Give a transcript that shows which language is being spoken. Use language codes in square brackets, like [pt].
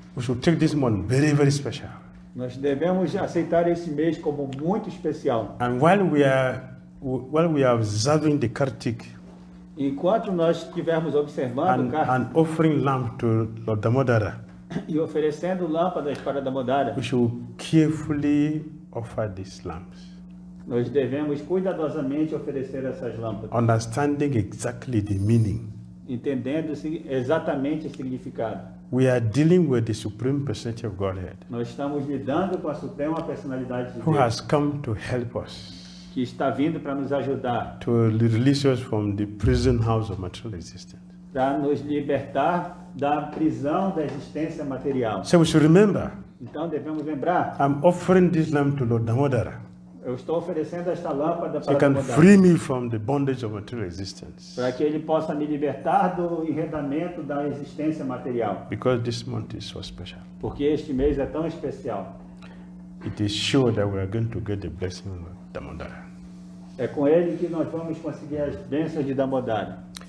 [en] We should take this one very, very special. [pt] Nós devemos aceitar esse mês como muito especial. [en] And while we are observing the Kartik. [pt] Enquanto nós estivermos observando [en] and offering lamp to Lord Damodara, [pt] e oferecendo lâmpadas para Damodara, [en] we should carefully offer these lamps. [pt] Nós devemos cuidadosamente oferecer essas lâmpadas. [en] Understanding exactly the meaning. [pt] Entendendo exatamente o significado. [en] We are dealing with the Supreme Personality of Godhead. [pt] Nós estamos lidando com a Suprema Personalidade de Deus. [en] Who has come to help us. [pt] Que está vindo para nos ajudar. [en] To release us from the prison house of material existence. [pt] Para nos libertar da prisão da existência material. [en] So we should remember. [pt] Então devemos lembrar. [en] I'm offering this lamp to Lord Damodara. [pt] Eu estou oferecendo esta lâmpada para can Damodara. [en] Free me from the bondage of material existence. [pt] Para que ele possa me libertar do enredamento da existência material. [en] Because this month is so special. [pt] Porque este mês é tão especial. [en] It is sure that we are going to get the blessing of Damodara. [pt] É com ele que nós vamos conseguir as bênçãos de Damodara.